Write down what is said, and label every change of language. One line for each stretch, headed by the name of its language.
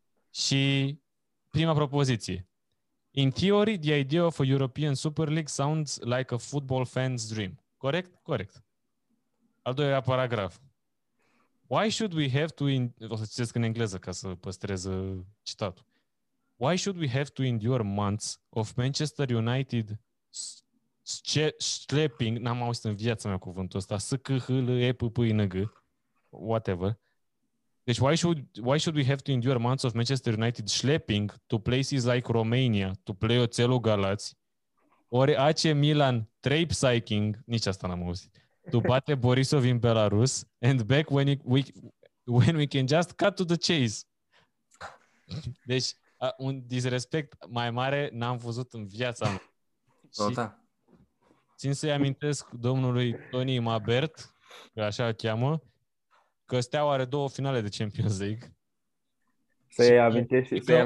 Romanian: Și prima propoziție:
English: in theory, the idea of a European Super League sounds like a football fan's dream. Correct? Correct.
Romanian: Al doilea paragraf.
English: Why should we have to...
Romanian: O să citesc în engleză ca să păstrez citatul.
English: Why should we have to endure months of Manchester United schlepping...
Romanian: N-am auzit în viața mea cuvântul ăsta.
English: S-C-H-L-E-P-P-I-N-G. Whatever. Deci why should we have to endure months of Manchester United schlepping to places like Romania to play Oțelul Galați, or AC Milan traipsiking,
Romanian: nici asta n-am auzit,
English: to bate Borisov in Belarus and back when we can just cut to the chase.
Romanian: Deci un disrespect mai mare n-am văzut în viața mea. Tota. Țin să-i amintesc domnului Tony Mabert, că așa îl cheamă, că Steaua are două finale de Champions League. Să-i amintești.